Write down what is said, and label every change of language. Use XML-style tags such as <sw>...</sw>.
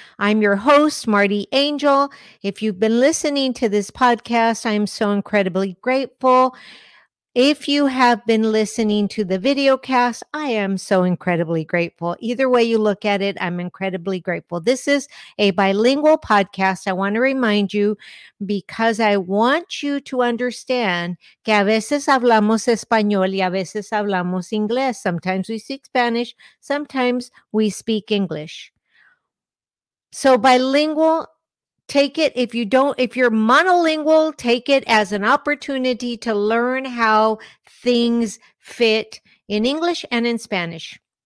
<en>I'm your host, Marty Angel. If you've been listening to this podcast, I'm so incredibly grateful. If you have been listening to the video cast, I am so incredibly grateful. Either way you look at it, I'm incredibly grateful. This is a bilingual podcast. I want to remind you because I want you to understand</en> <es>que a veces hablamos español y a veces hablamos inglés.</es> <en>Sometimes we speak Spanish, sometimes we speak English. So bilingual, take it if you don't, if you're monolingual, take it as an opportunity to learn how things fit in English and in Spanish.</en>